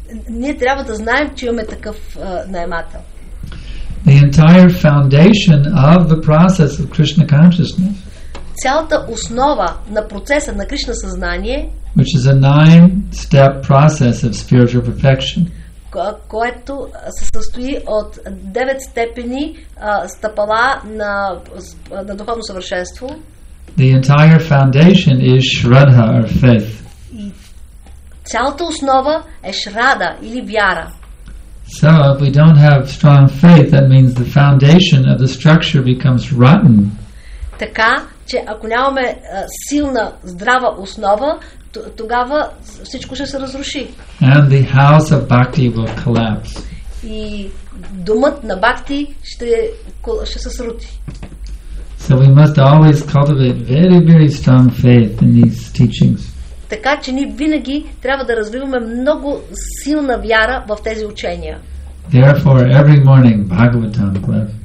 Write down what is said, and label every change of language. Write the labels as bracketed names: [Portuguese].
[Bulgarian] Ние трябва да знаем, че имаме такъв наемател. [English] The entire foundation of the process of Krishna consciousness. [Bulgarian] цялата основа на процеса на Кришна съзнание, [English] which is a 9-step process of spiritual perfection, [Bulgarian] което се състои от 9 степени стъпала на духовно съвършенство. [English] The entire foundation is Shraddha or faith. [Bulgarian] Цялата основа е Шрада или вяра. [English] So if we don't have strong faith, that means the foundation of the structure becomes rotten. [Bulgarian] Така че ако нямаме силна здрава основа, тогава всичко ще се разруши. [English] And the house of bhakti will collapse. [Bulgarian] И домът на бхакти ще се срути. [English] So we must always cultivate very, very strong faith in these teachings. [Bulgarian] Така че ние винаги трябва да развиваме много силна вяра в тези учения. [English] Therefore, every morning Bhagavatam class.